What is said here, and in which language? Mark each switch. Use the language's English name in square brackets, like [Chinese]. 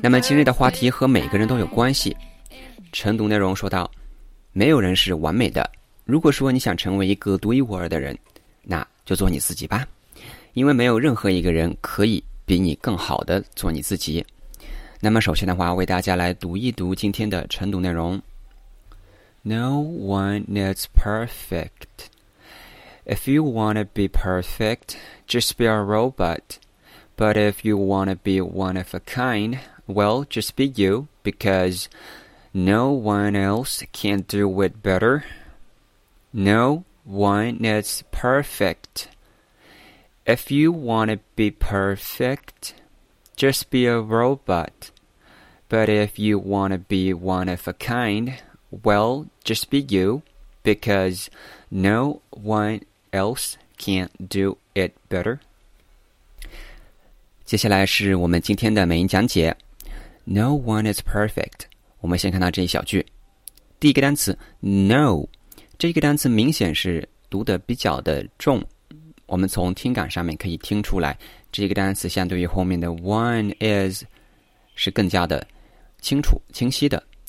[Chinese] 那么今日的话题和每个人都有关系。晨读内容说到，没有人是完美的，如果说你想成为一个独一无二的人，那就做你自己吧，因为没有任何一个人可以比你更好的做你自己。那么首先的话，为大家来读一读今天的晨读内容。 [English] No one is perfect. If you want to be perfect, just be a robot. But if you want to be one of a kind, well, just be you, because no one else can do it better. No one is perfect. If you want to be perfect, just be a robot. But if you want to be one of a kind, well, just be you, because no one else can do it better. [Chinese] 接下来是我们今天的美音讲解。 [English] No one is perfect. [Chinese] 我们先看到这一小句。第一个单词 No, 这个单词明显是读得比较的重。我们从听感上面可以听出来，这个单词相对于后面的 one is 是更加的清楚清晰的。